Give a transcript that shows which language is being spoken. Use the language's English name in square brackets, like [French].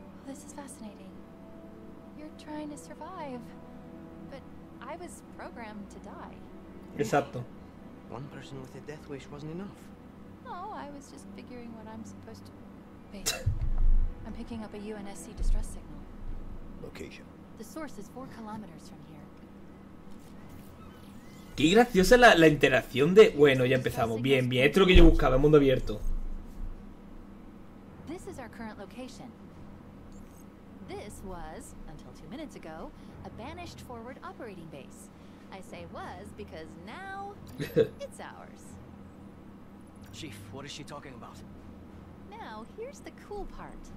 [English] Well, this is fascinating. You're trying to survive, but I was programmed to die. [Spanish] Exacto. [English] One person with a death wish wasn't enough. No, I was just figuring what I'm supposed to be. I'm picking up a UNSC distress signal. Location. The source is 4 kilometers from here. [Spanish] Qué graciosa la interacción de... Bueno, ya empezamos. Bien, bien. Esto es lo que yo buscaba, mundo abierto. [English] This is our current location. This was, until 2 minutes ago, a Banished forward operating base. I say was because now it's ours. Chief, what is she talking about? Now, here's the cool part.